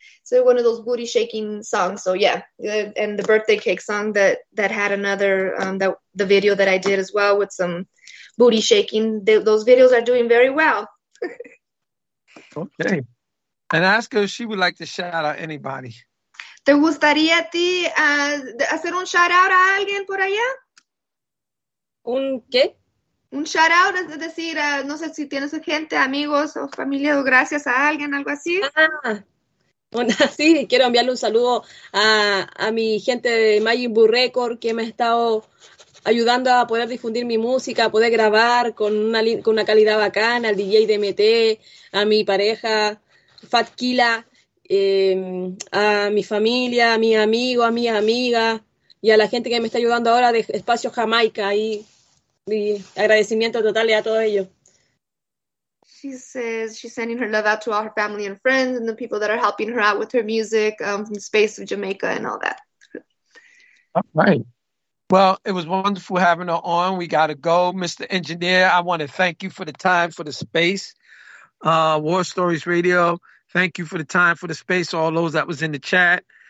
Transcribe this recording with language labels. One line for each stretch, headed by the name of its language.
English: So one of those booty shaking songs. So yeah, and the birthday cake song that had another the video that I did as well with some booty shaking. Those videos are doing very well. Okay, and ask her if she would like to shout out anybody.
Spanish: ¿Te gustaría a ti hacer un shout out a alguien por allá? ¿Un qué? Un shout out, es decir, no sé si tienes gente, amigos o familia, o gracias a alguien, algo así. Ah. Sí, quiero enviarle un saludo a mi gente de Magic Boo Record, que me ha estado ayudando a poder difundir mi música, a poder grabar con una calidad bacana, al DJ DMT, a mi pareja Fat Kila, a mi familia, a mi amigo, a mi amiga, y a la gente que me está ayudando ahora de Espacio Jamaica, y agradecimiento total a todos ellos.
English: She says she's sending her love out to all her family and friends and the people that are helping her out with her music from the space of Jamaica and all that. All right. Well, it was wonderful having her on. We got to go. Mr. Engineer, I want to thank you for the time, for the space. War Stories Radio, thank you for the time, for the space, all those that was in the chat.